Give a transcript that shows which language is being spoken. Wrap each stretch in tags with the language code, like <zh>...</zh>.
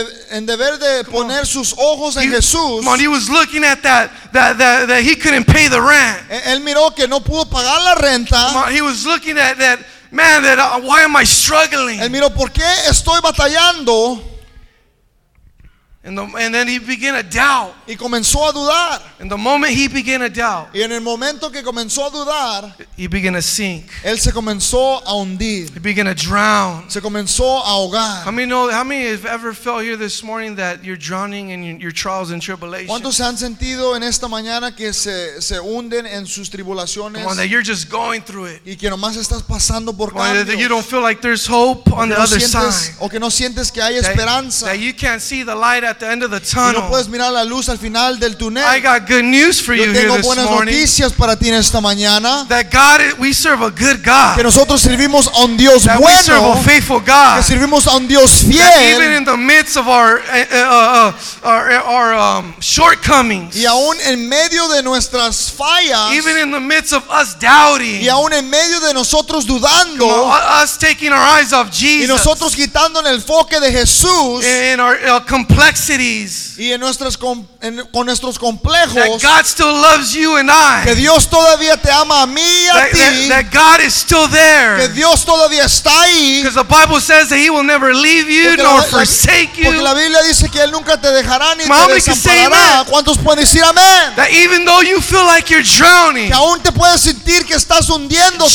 <es>en deber de poner sus ojos en Jesús.</es> <en>Come on, he was looking at that he couldn't pay the rent.</en> <es>Él miró que no pudo pagar la renta.</es> <en>Come on, he was looking at that man. Why am I struggling?</en> <es>Él miró por qué estoy batallando.</es> <en>And then he began to doubt.</en> <es>Y comenzó a dudar.</es> <en>And the moment he began to doubt,</en> <es>y en el momento que comenzó a dudar,</es> <en>he began to sink.</en> <es>Él se comenzó a hundir.</es> <en>He began to drown.</en> <es>Se comenzó a ahogar.</es> <en>How many have ever felt here this morning that you're drowning in your trials and tribulations?</en> <es>¿Cuántos se han sentido en esta mañana que se hunden en sus tribulaciones?</es> <en>Come on, that you're just going through it.</en> <es>Y que nomás estás pasando por cambios.</es> <en>Or that you don't feel like there's hope on the other side.</en> <es>O que no sientes que hay esperanza.</es> <en>That you can't see the light at the end of the tunnel.</en> <es>Y no puedes mirar la luz al final del túnel.</es> <en>I got good news for you here this morning.</en> <es>Yo tengo buenas noticias para ti en esta mañana.</es> <en>That God, we serve a good God.</en> <es>Que nosotros servimos a un Dios</es> <en>that</en> <es>bueno.</es> <en>We serve a faithful God.</en> <es>Que servimos a un Dios fiel.</es> <en>That even in the midst of our shortcomings.</en> <es>Y aún en medio de nuestras fallas.</es> <en>Even in the midst of us doubting.</en> <es>Y aún en medio de nosotros dudando.</es> <en>Us taking our eyes off Jesus.</en> <es>Y nosotros quitando el enfoque de Jesús.</es> <en>In our complexities.</en> <es>Y en nuestras con nuestros complejos.</es> <en>That God still loves you and I.</en> <es>Que Dios todavía te ama a mí y a ti.</es> <en>That God is still there.</en> <es>Que Dios todavía está ahí.</es> <en>Because the Bible says that He will never leave you nor forsake you.</en> <es>Porque la Biblia dice que Él nunca te dejará ni te desamparará. ¿Cuántos pueden decir amén?</es> <en>That even though you feel like you're drowning.</en> <es>Que aún te puedes sentir que estás hundiéndote.</es>